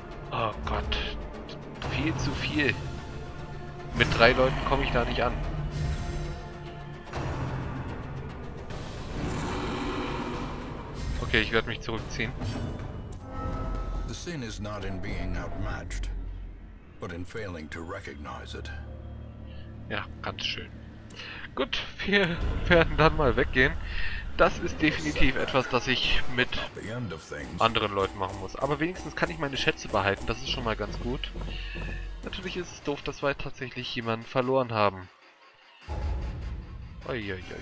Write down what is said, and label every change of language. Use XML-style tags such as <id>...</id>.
<de>Oh Gott. Viel zu viel. Mit drei Leuten komme ich da nicht an. Okay, ich werde mich zurückziehen.</de> <en>The sin is not in being outmatched, but in failing to recognize it.</en> <de>Ja, ganz schön. Gut, wir werden dann mal weggehen. Das ist definitiv etwas, das ich mit anderen Leuten machen muss. Aber wenigstens kann ich meine Schätze behalten, das ist schon mal ganz gut. Natürlich ist es doof, dass wir tatsächlich jemanden verloren haben. Uiuiuiui.</de>